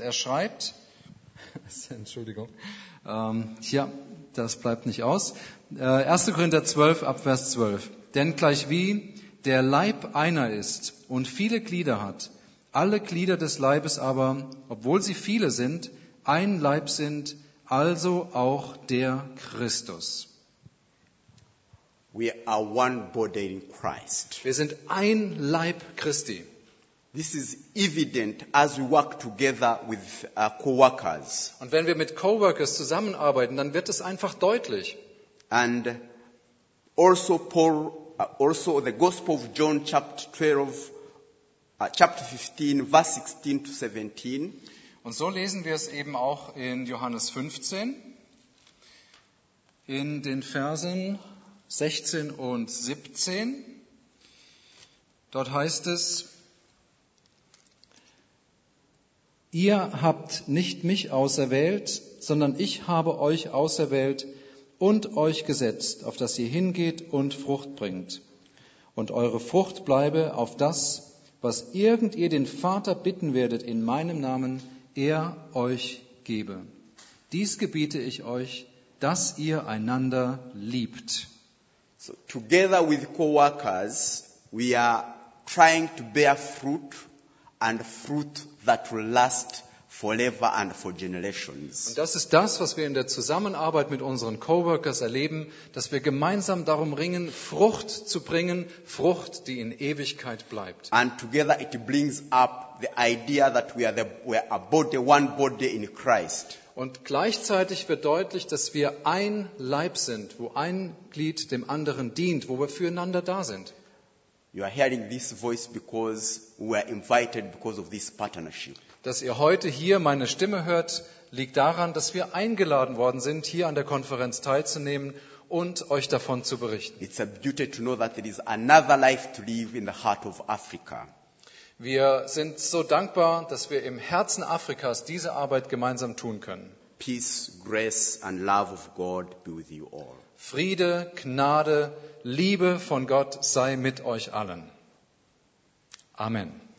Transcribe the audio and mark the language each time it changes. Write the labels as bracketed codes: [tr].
[de] Er schreibt, Entschuldigung, tja, das bleibt nicht aus. 1. Korinther 12, Abvers 12. Denn gleich wie der Leib einer ist und viele Glieder hat, alle Glieder des Leibes aber, obwohl sie viele sind, ein Leib sind, also auch der Christus. [en] We are one body in Christ. [de] Wir sind ein Leib Christi. [en] This is evident as we work together with co-workers. [de] Und wenn wir mit Co-workers zusammenarbeiten, dann wird es einfach deutlich. [en] And also Paul, also the Gospel of John chapter 12, chapter 15, verse 16 to 17. [de] Und so lesen wir es eben auch in Johannes 15, in den Versen 16 und 17. Dort heißt es: Ihr habt nicht mich auserwählt, sondern ich habe euch auserwählt und euch gesetzt, auf dass ihr hingeht und Frucht bringt. Und eure Frucht bleibe, auf das, was irgend ihr den Vater bitten werdet in meinem Namen, er euch gebe. Dies gebiete ich euch, dass ihr einander liebt. [en] So together with co-workers, we are trying to bear fruit and fruit that will last forever and for generations. [de] Und das ist das, was wir in der Zusammenarbeit mit unseren Co-workers erleben, dass wir gemeinsam darum ringen, Frucht zu bringen, Frucht, die in Ewigkeit bleibt. [en] And together it brings up the idea that we are a body, one body in Christ. [de] Und gleichzeitig wird deutlich, dass wir ein Leib sind, wo ein Glied dem anderen dient, wo wir füreinander da sind. [en] You are hearing this voice because we are invited because of this partnership. [de] Dass ihr heute hier meine Stimme hört, liegt daran, dass wir eingeladen worden sind, hier an der Konferenz teilzunehmen und euch davon zu berichten. [en] It's a beauty to know that there is another life to live in the heart of Africa. [de] Wir sind so dankbar, dass wir im Herzen Afrikas diese Arbeit gemeinsam tun können. [en] Peace, grace and love of God be with you all. [de] Friede, Gnade, Liebe von Gott sei mit euch allen. Amen.